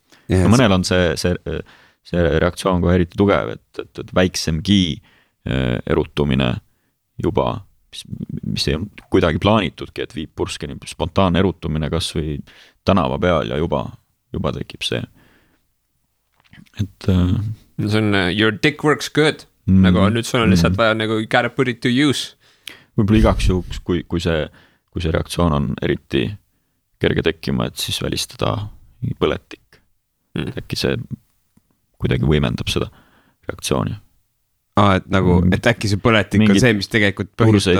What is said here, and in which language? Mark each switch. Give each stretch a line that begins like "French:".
Estonian: Ja mõnel on see reaktsioon kohe eriti tugev, et väiksemgi erutumine juba mis ei olnud kuidagi plaanitudki, et viib purskeni spontaan erutumine kas või tänava peal ja juba tekib see. See on
English: your dick works good.
Estonian: Nagu nüüd sul on lihtsalt vaja nagu
English: gotta put it to use.
Estonian: Võibolla igaks juhuks, kui see reaktsioon on eriti kerge tekkima, et siis välistada põletik. Äkki see kuidagi võimendab seda reaktsiooni. Et äkki see põletik on see, mis tegelikult põhjustab.